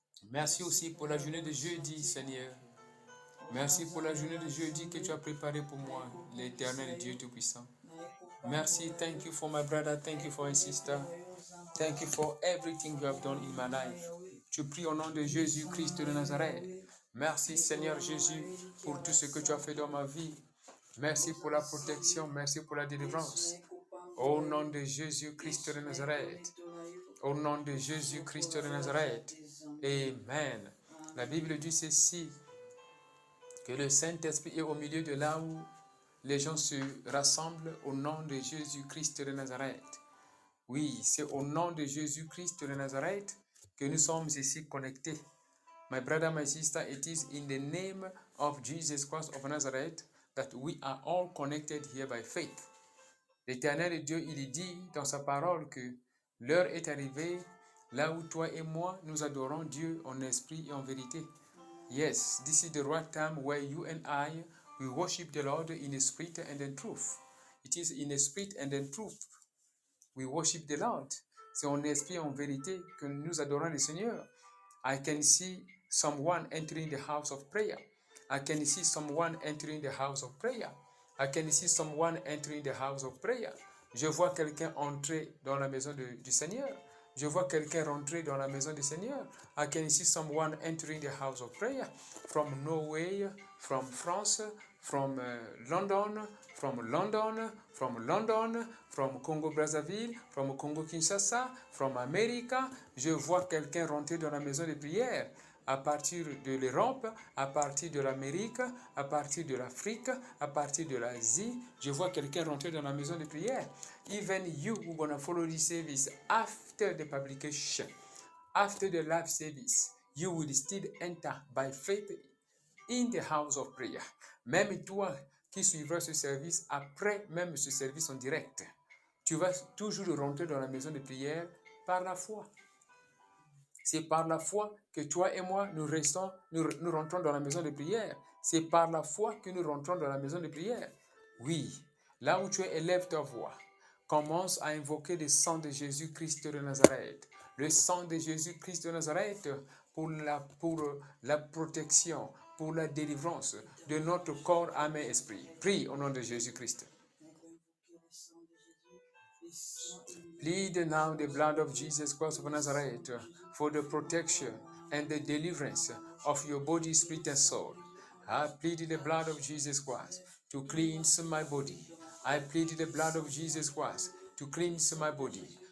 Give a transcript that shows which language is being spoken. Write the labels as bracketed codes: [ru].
[fr] Merci aussi pour la journée de jeudi, Seigneur. Merci pour la journée de jeudi que tu as préparée pour moi, l'Éternel Dieu Tout-Puissant. Merci, [en] thank you for my brother, thank you for my sister. Thank you for everything you have done in my life. [fr] Je prie au nom de Jésus-Christ de Nazareth. Merci, Seigneur Jésus, pour tout ce que tu as fait dans ma vie. Merci pour la protection, merci pour la délivrance. Au nom de Jésus-Christ de Nazareth. Au nom de Jésus-Christ de Nazareth. Amen. La Bible dit ceci, que le Saint-Esprit est au milieu de là où les gens se rassemblent au nom de Jésus-Christ de Nazareth. Oui, c'est au nom de Jésus-Christ de Nazareth que nous sommes ici connectés. [en] My brother, my sister, it is in the name of Jesus Christ of Nazareth that we are all connected here by faith. [fr] L'Éternel Dieu, il dit dans sa parole que l'heure est arrivée là où toi et moi, nous adorons Dieu en esprit et en vérité. [en] Yes, this is the right time where you and I, we worship the Lord in spirit and in truth. It is in spirit and in truth. We worship the Lord. [fr] C'est en esprit et en vérité que nous adorons le Seigneur. [en] I can see someone entering the house of prayer. I can see someone entering the house of prayer. I can see someone entering the house of prayer. [fr] Je vois quelqu'un entrer dans la maison du Seigneur. Je vois quelqu'un rentrer dans la maison du Seigneur. [en] I can see someone entering the house of prayer from Norway, from France, from London, from London, from London, from Congo Brazzaville, from Congo Kinshasa, from America. [fr] Je vois quelqu'un rentrer dans la maison de prière à partir de l'Europe, à partir de l'Amérique, à partir de l'Afrique, à partir de l'Asie. Je vois quelqu'un rentrer dans la maison de prière. [en] Even you who are going to follow this service after the publication, after the live service, you will still enter by faith in the house of prayer. [fr] Même toi qui suivras ce service, après même ce service en direct, tu vas toujours rentrer dans la maison de prière par la foi. C'est par la foi que toi et moi, nous rentrons dans la maison de prière. C'est par la foi que nous rentrons dans la maison de prière. Oui, là où tu élèves ta voix, commence à invoquer le sang de Jésus-Christ de Nazareth. Le sang de Jésus-Christ de Nazareth pour la protection, pour la délivrance de notre corps, âme et esprit. Prie au nom de Jésus-Christ. [en] Plead now the blood of Jesus Christ of Nazareth for the protection and the deliverance of your body, spirit and soul. I plead the blood of Jesus Christ to cleanse my body. I plead the blood of Jesus Christ to cleanse my body.